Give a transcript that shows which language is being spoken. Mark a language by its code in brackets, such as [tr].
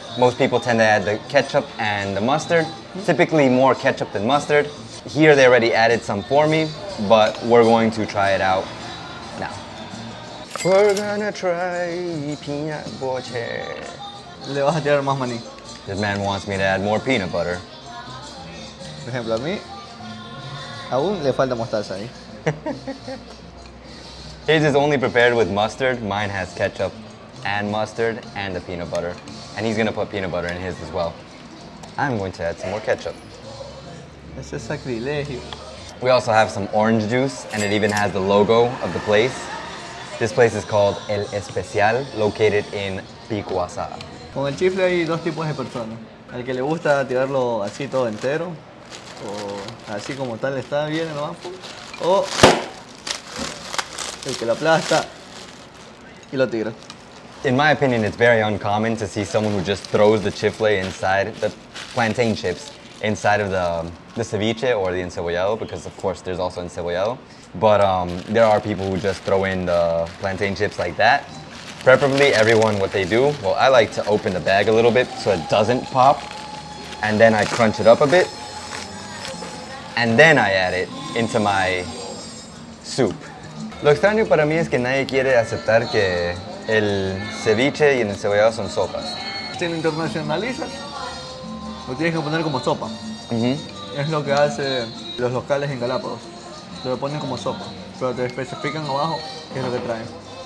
[en] Most people tend to add the ketchup and the mustard. Typically more ketchup than mustard. Here they already added some for me, but we're going to try it out now. We're gonna try peanut boche. [es] Le vas a tirar más maní. [en] This man wants me to add more peanut butter. [es] Por ejemplo, a mí aún le falta mostaza ahí. [en] His is only prepared with mustard. Mine has ketchup and mustard and the peanut butter. And he's gonna put peanut butter in his as well. I'm going to add some more ketchup. [es] Es un sacrilegio. [en] We also have some orange juice, and it even has the logo of the place. This place is called El Especial, located in Picuasa. [es] Con el chifle hay dos tipos de personas. El que le gusta tirarlo así todo entero, o así como tal está bien en lo bajo, o el que lo aplasta y lo tira. [en] In my opinion, it's very uncommon to see someone who just throws the chifle inside, the plantain chips, inside of the ceviche or the encebollado, because of course there's also encebollado. But there are people who just throw in the plantain chips like that. Preferably everyone, what they do, well, I like to open the bag a little bit so it doesn't pop, and then I crunch it up a bit, and then I add it into my soup. [es] Lo extraño para mí es que nadie quiere aceptar que el ceviche y el encebollado son sopas. Si lo internacionalizas, lo tienes que poner como sopa. Es lo que hacen los locales en Galápagos. Lo ponen como sopa, pero te especifican abajo qué es lo que traen.